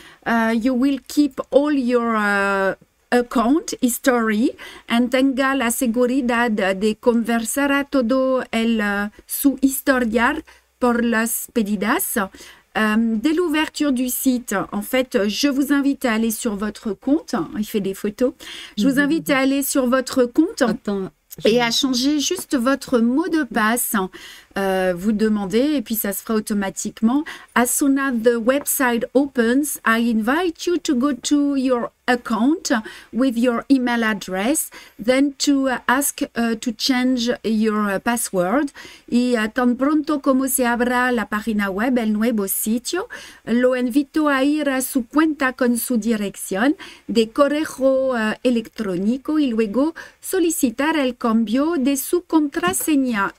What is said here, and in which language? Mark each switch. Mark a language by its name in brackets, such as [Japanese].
[English] You will keep all your account history [Spanish] and tenga la seguridad de conversar a todo el su historial por las pedidas. [French] Dès l'ouverture du site, en fait, je vous invite à aller sur votre compte. Il fait des photos. Je vous invite à aller sur votre compte. Attends. Et à changer juste votre mot de passe, vous demandez et puis ça se fera automatiquement. [English] As soon as the website opens, I invite you to go to your account with your email address, then to ask to change your password. [Spanish] Y tan pronto como se abra la página web, el nuevo sitio, lo invito a ir a su cuenta con su dirección de correo electrónico y luego solicitar el cambio de su contraseña.